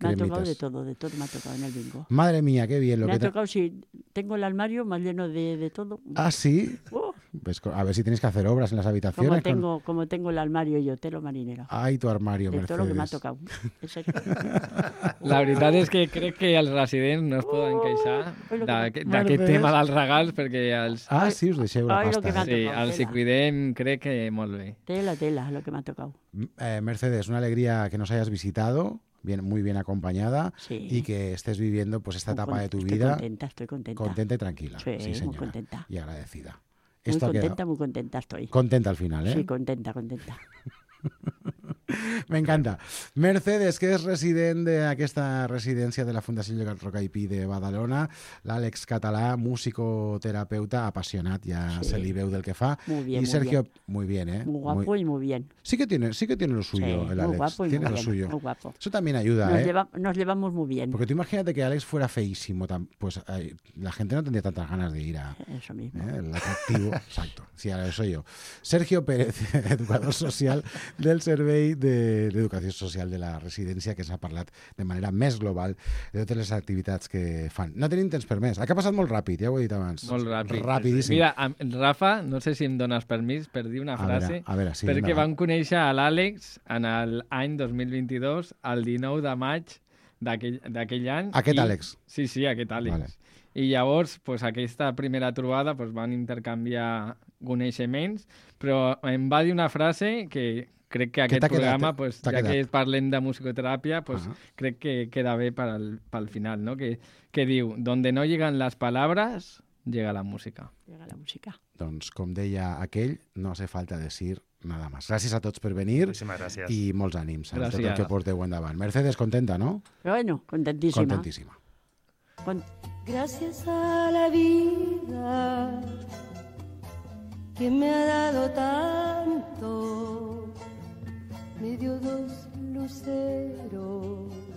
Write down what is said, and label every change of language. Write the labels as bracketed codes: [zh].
[es] Me ha tocado de todo me ha tocado en el bingo. Madre mía, qué bien lo me que me ha tocado, sí, tengo el armario más lleno de todo. Ah, sí. Pues a ver si tienes que hacer obras en las habitaciones. Como tengo el armario yo, telo marinero. Ay, tu armario, de Mercedes. De todo lo que me ha tocado. [ca] La verdad es que creo que al resident no es poden queixar de aquest tema dels regals, perquè els... Ah, sí, us deixeu la pasta. Sí, els hi cuidem, crec que molt bé. [es] Tela, lo que me ha tocado. Mercedes, una alegría que nos hayas visitado. Bien, muy bien acompañada, sí. Y que estés viviendo pues esta etapa de tu vida. Estoy contenta. Contenta y tranquila. Sí, sí, señora. Muy contenta. Y agradecida. Muy contenta estoy. Contenta al final, ¿eh? Sí, contenta. Me encanta. [ca] Mercedes, que es resident de aquesta residència de la Fundació Llegat Roca i Pi de Badalona, l'Àlex Català, musicoterapeuta apassionat, ja sí. Se li veu del que fa. [es] Muy bien, [ca] i Sergio, [es] muy bien. Muy guapo. Sí que tiene lo suyo, sí, el Àlex. Muy guapo. Eso también ayuda, ¿eh? Nos llevamos muy bien. Porque tú imagínate que Àlex fuera feísimo, pues la gente no tendría tantas ganas de ir a... Eso mismo. ¿Eh? El atractivo, exacto. Sí, ahora soy yo. [ca] Sergio Pérez, educador social del Servei d'Educació Social de la Residència, que s'ha parlat de manera més global de totes les activitats que fan. No tenim temps per més. Ha passat molt ràpid, ja ho he dit abans. Molt ràpid. Rapidíssim. Mira, Rafa, no sé si em dones permís per dir una frase. A veure, sí. Perquè vam conèixer l'Àlex en l'any 2022, el 19 de maig d'aquell any. Aquest Àlex. Sí, aquest Àlex. Vale. I llavors, pues, aquesta primera trobada, pues, van intercanviar coneixements, però em va dir una frase que... Crec que aquest programa, pues, ja que parlem de musicoterapia, pues, crec que queda bé pel final, no? Que diu, [es] donde no llegan las palabras, llega la música. Llega la música. [ca] Doncs, com deia aquell, [es] no hace falta decir nada más. [ca] Gràcies a tots per venir. Moltíssimes gràcies. I molts ànims. Gràcies. De tot que porteu endavant. Mercedes, contenta, no? [es] Bueno, contentíssima. [ca] Contentíssima. [es] Gràcies a la vida que me ha dado tanto, me dio dos luceros.